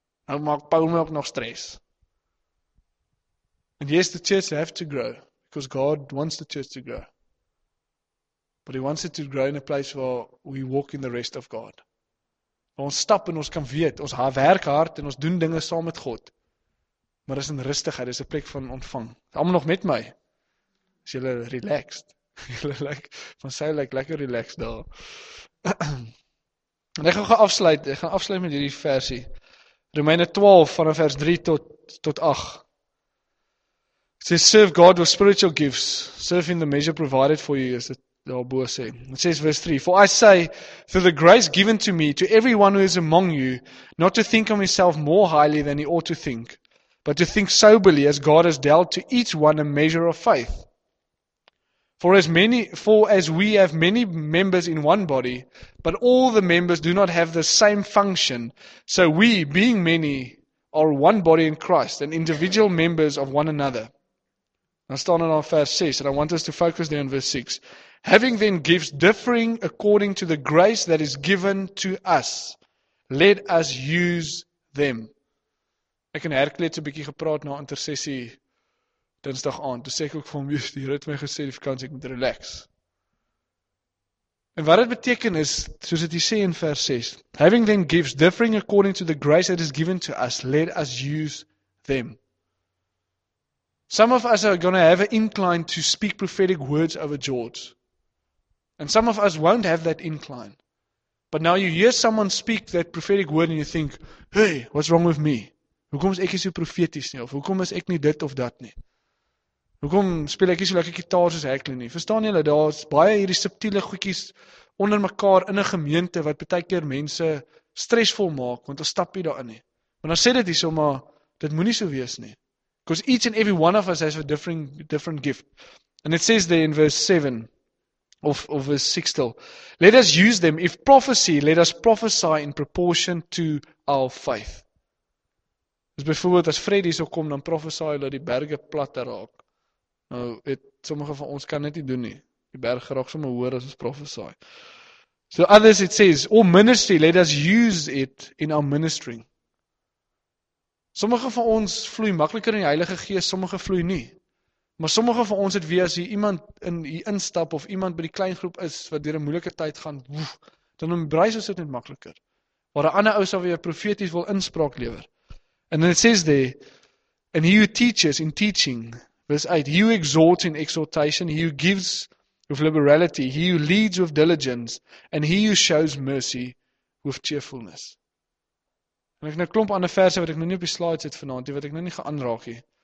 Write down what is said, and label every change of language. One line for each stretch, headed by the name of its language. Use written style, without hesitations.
Afrikaans: Nou maak Paul my ook nog stress.
English: And yes, the church have to grow, because God wants the church to grow. But he wants it to grow in a place where we walk in the rest of God.
Afrikaans: Waar ons stap en ons kan weet, ons werk hard, en ons doen dinge saam met God. Maar dis in rustigheid, dis 'n plek van ontvang. Is allemaal nog met my. Is julle relaxed? Julle lyk van sy lyk lekker relaxed daar. En ek gaan afsluit. Ek gaan afsluit met hierdie versie. Romeine 12 vanaf vers 3 tot 8.
English: It says serve God with spiritual gifts, serve in the measure provided for you,
Afrikaans: is daarbo sê. Dit sê vers 3,
English: for I say, through the grace given to me, to everyone who is among you, not to think of himself more highly than he ought to think, but to think soberly as God has dealt to each one a measure of faith. For as we have many members in one body, but all the members do not have the same function, so we, being many, are one body in Christ, and individual members of one another. Now
Afrikaans: staan in vers 6,
English: and I want us to focus there on verse 6. Having then gifts differing according to the grace that is given to us, let us use them.
Afrikaans: Ek en Herklet so 'n bietjie gepraat na intersessie Dinsdag aand. Toe sê ek ook vir hom, die Here het my gesê die vakansie ek moet relax. En wat dit beteken is, soos dit hier sê in vers 6,
English: having then gifts differing according to the grace that is given to us, let us use them. Some of us are going to have an incline to speak prophetic words over George. And some of us won't have that incline. But now you hear someone speak that prophetic word and you think, hey, what's wrong with me?
Afrikaans: Hoekom is ek nie so profeties nie? Of hoekom is ek nie dit of dat nie? Hoekom speel ek nie so lekker gitaar soos Hackley nie? Verstaan julle, daar is baie hierdie subtiele goedjies onder mekaar in 'n gemeente wat baie keer mense stresvol maak, want ons stap nie daarin nie. Maar dan sê dit hierso, maar dit moenie so wees nie.
English: Because each and every one of us has a different gift. And it says there in verse 7, of verse 6 still, let us use them. If prophecy, let us prophesy in proportion to our faith.
Afrikaans: Dus bijvoorbeeld, as Freddy so kom, dan prophesy hulle die berge plat raak. Nou, het sommige van ons kan dit nie doen nie. Die berg raak sommer hoor as ons prophesy.
English: So others it says, or ministry, let us use it in our ministering.
Afrikaans: Sommige van ons vloei makliker in die Heilige Gees, sommige vloei nie. Maar sommige van ons het weer as hier iemand in hier instap of iemand by die klein groep is wat deur 'n moeilike tyd gaan, woef, dan embrace ons dit net makliker. Waar 'n ander ou sal weer profeties wil inspraak lewer.
English: And it says there, and he who teaches in teaching, verse 8, he who exhorts in exhortation, he who gives with liberality, he who leads with diligence, and he who shows mercy with cheerfulness.
Afrikaans: En ek nou klomp ander verse wat ek nou nie op die slides het vanaand, wat ek nou nie gaan aanraak nie.